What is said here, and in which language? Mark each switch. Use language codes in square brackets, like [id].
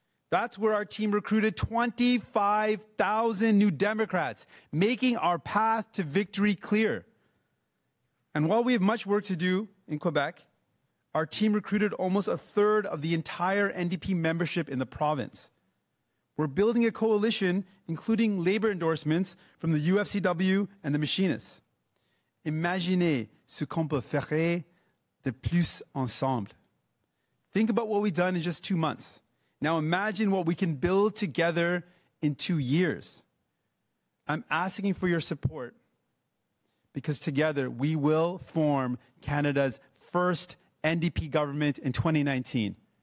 [en] That's where our team recruited 25,000 new Democrats, making our path to victory clear. And while we have much work to do in Quebec, our team recruited almost a third of the entire NDP membership in the province. We're building a coalition, including labor endorsements from the UFCW and the machinists. [fr] Imaginez ce qu'on peut faire de plus ensemble. [en] Think about what we've done in just 2 months. Now imagine what we can build together in 2 years. I'm asking for your support because together we will form Canada's first NDP government in 2019.